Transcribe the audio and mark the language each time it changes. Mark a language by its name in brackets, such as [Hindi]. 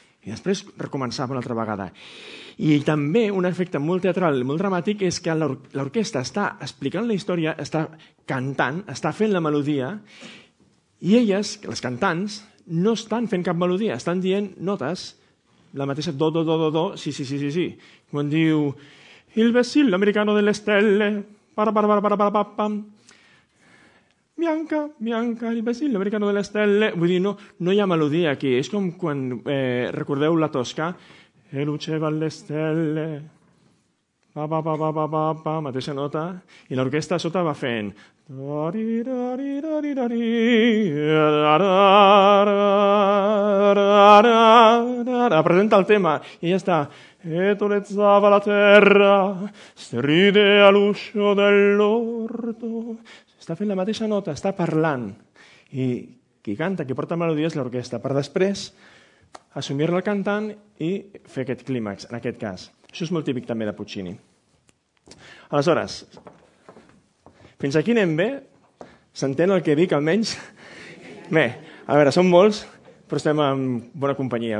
[Catalan] I després recomençava una altra vegada. I també un efecte molt teatral i molt dramàtic és que l'orquestra està explicant la història, està cantant, està fent la melodia, i elles, les cantants, no estan fent cap melodia, estan dient notes, la mateixa do, do, do, do, do, sí, sí, sí, sí, sí. Quan diu... [Italian] Il vessillo americano delle stelle, para para para para para pam, pam. Bianca, bianca, il vessillo americano delle stelle. [Catalan] Vull dir, no hi ha melodia aquí. És com quan, recordeu la Tosca, [Italian] e luceva alle stelle, [Catalan] pa pa pa pa pa pa pa, mateixa nota, i l'orquestra sota va fent... Presenta el tema i ja està... [Italian] E tolezzava la terra, stride all'uscio dell'orto. [Catalan] Sta fent la mateixa nota, sta parlant. [Italian] I [Catalan] qui canta, qui porta melodies, l'orquestra, per després assumir-la el cantant i fer aquest clímax, en aquest cas. Això és molt típic també de Puccini. Aleshores, fins aquí anem bé? S'entén el que dic, almenys? Bé, a veure, som molts, però estem en bona companyia.